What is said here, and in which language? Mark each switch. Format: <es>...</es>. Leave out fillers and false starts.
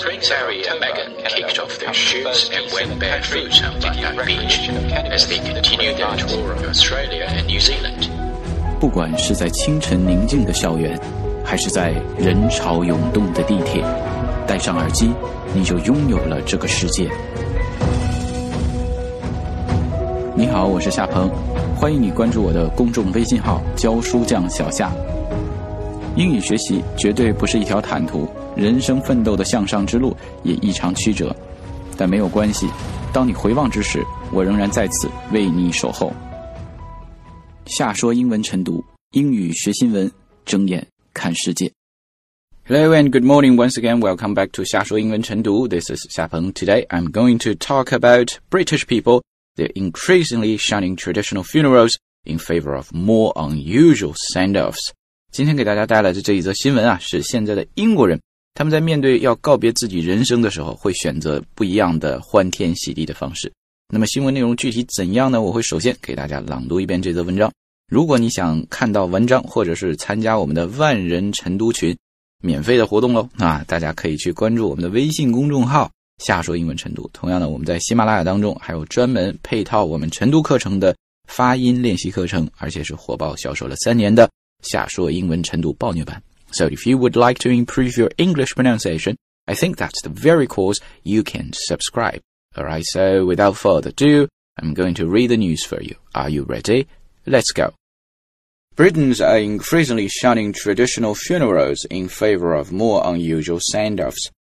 <en>Prince Harry and Meghan kicked off their shoots and went barefoot on Bundang Beach as they continued their tour of Australia and New Zealand.</en> <zh>不管是在清晨宁静的校园，还是在人潮涌动的地铁，戴上耳机，你就拥有了这个世界。你好，我是夏鹏，欢迎你关注我的公众微信号教书匠小夏。英语学习绝对不是一条坦途，人生奋斗的向上之路也异常曲折，但没有关系，当你回望之时，我仍然在此为你守候。夏说英文晨读，英语学新闻，睁眼看世界。</zh> <en>Hello and good morning once again. Welcome back to 夏说英文晨读。This is 夏鹏。 Today I'm going to talk about British peopleThey're increasingly shunning traditional funerals in favor of more unusual send-offs.</en> <zh>今天给大家带来的这一则新闻啊，是现在的英国人，他们在面对要告别自己人生的时候，会选择不一样的欢天喜地的方式。那么新闻内容具体怎样呢？我会首先给大家朗读一遍这则文章。如果你想看到文章，或者是参加我们的万人晨读群免费的活动喽，那大家可以去关注我们的微信公众号下说英文晨读。同样的，我们在喜马拉雅当中还有专门配套我们晨读课程的发音练习课程，而且是火爆销售了三年的下说英文晨读暴虐版。</zh> <en>So if you would like to improve your English pronunciation, I think that's the very course you can subscribe. Alright, so without further ado, I'm going to read the news for you. Are you ready? Let's go. Britons are increasingly shunning traditional funerals in favor of more unusual send-offs.</en>